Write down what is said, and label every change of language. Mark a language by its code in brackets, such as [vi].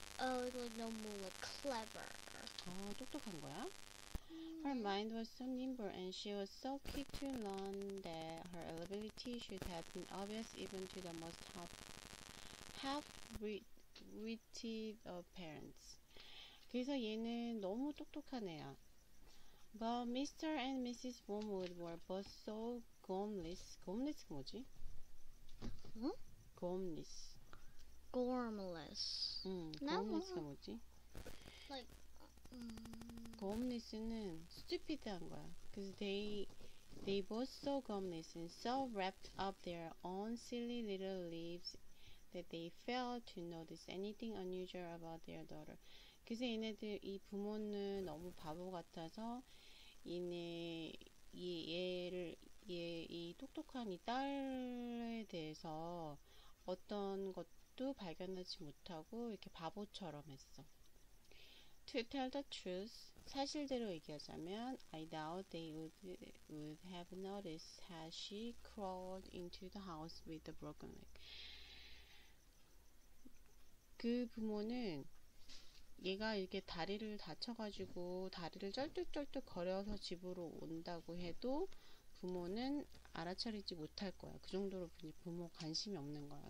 [en] Oh, it was no more like clever. [ko] 아, 똑똑한 거야? [en] Her mind was so nimble and she was so quick to learn that her ability should have been obvious even to the most half-witted of parents. [ko] 그래서 얘는 너무 똑똑한 애야. [en] But Mr. and Mrs. Wormwood were both so gormless. Gormless [ko] 뭐지? 응? [en] Gormless. Gormless. [ko] 응. Gormless 뭐지? [en] Like. [ko] Gormless는 stupid한 거야. [en] Cause they both so gormless and so wrapped up their own silly little lives that they failed to notice anything unusual about their daughter. [ko] 그래서 얘네들 이 부모는 너무 바보 같아서. 얘네 이 똑똑한 이 딸에 대해서 어떤 것도 발견하지 못하고 이렇게 바보처럼 했어. [en] To tell the truth, [ko] 사실대로 얘기하자면 [en] I doubt they would have noticed how she crawled into the house with the broken leg. [ko] 그 부모는 얘가 이렇게 다리를 다쳐가지고 다리를 쩔뚝쩔뚝 거려서 집으로 온다고 해도 부모는 알아차리지 못할 거야. 그 정도로 부모 관심이 없는 거야.